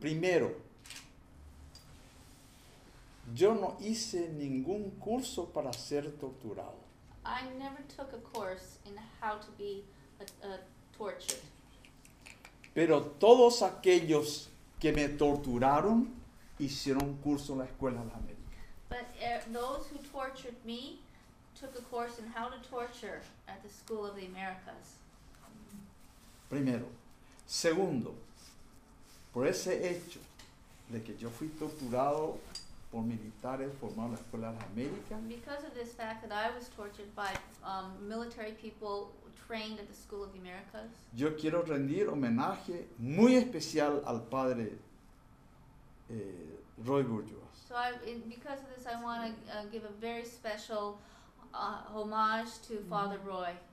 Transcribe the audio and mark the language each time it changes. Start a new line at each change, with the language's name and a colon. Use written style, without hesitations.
Spanish: Primero, yo no hice ningún curso para ser torturado.
English: I never took a course in how to be tortured.
Spanish: Pero todos aquellos que me torturaron hicieron curso en la Escuela de América.
English: But those who tortured me took a course in how to torture at the School of the Americas.
Spanish: Primero. Segundo, por ese hecho de que yo fui torturado por militares formados en la Escuela de las Américas.
English: Because of this fact that I was tortured by military people trained at the School of the Americas.
Spanish: Yo quiero rendir homenaje muy especial al padre Roy Bourgeois.
English: So because of this, I want to give a very special homage to Father Roy.